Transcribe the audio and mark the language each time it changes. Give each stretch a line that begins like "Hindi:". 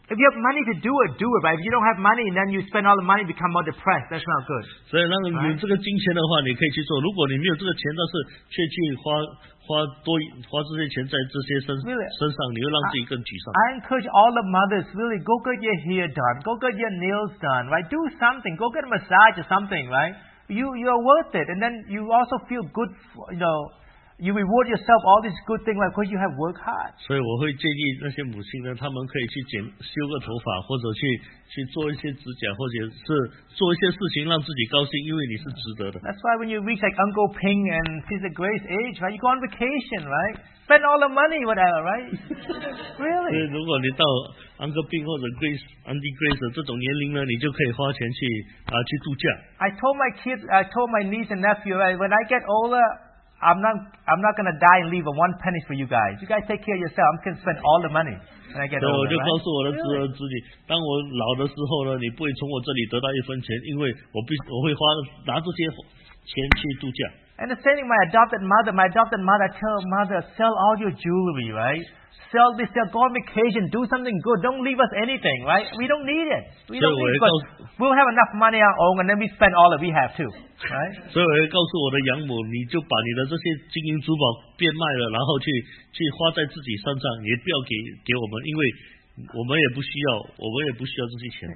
English: If you have money to do it, do it. But if you don't have money, then you spend all the money, become more depressed. That's not good.
Chinese: 所以，那个有这个金钱的话，你可以去做。如果你没有这个钱，但是却去花这些钱在这些身上，你会让自己更沮丧。
English: I encourage all the mothers, really, go get your hair done, go get your nails done, right? Do something, go get a massage or something, right? You are worth it, and then you also feel good, you know. You reward yourself all these good things because you have worked hard.
Chinese: 所以我会建议那些母亲呢，她们可以去剪修个头发，或者去做一些指甲，或者是做一些事情让自己高兴，因为你是值得的。
English: That's why when you reach like Uncle Ping and Sister Grace age, right? You go on vacation, right? Spend all the money, whatever, right? Really?
Chinese: 如果你到 Uncle Ping 或者 Grace, Auntie Grace 的这种年龄呢，你就可以花钱去度假。
English: I told my kids, I told my niece and nephew, right? When I get older. I'm not gonna die and leave a one penny for you guys. You guys take care of yourself. I'm gonna spend all the money when I get older.
Chinese: 我就告诉我的侄儿侄女，当我老的时候呢，你不会从我这里得到一分钱，因为我会花拿这些钱去度假。
English: And the same thing, my adopted mother, I tell mother, sell all your jewelry, right? Sell this, sell, go on vacation, do something good. Don't leave us anything, right? We don't need it. We'll have enough money on our own, and then we spend all that we have too, right?
Chinese: 所以我告诉我的养母，你就把你的这些金银珠宝变卖了，然后去花在自己身上，也不要给我们，因为我们也不需要这些钱。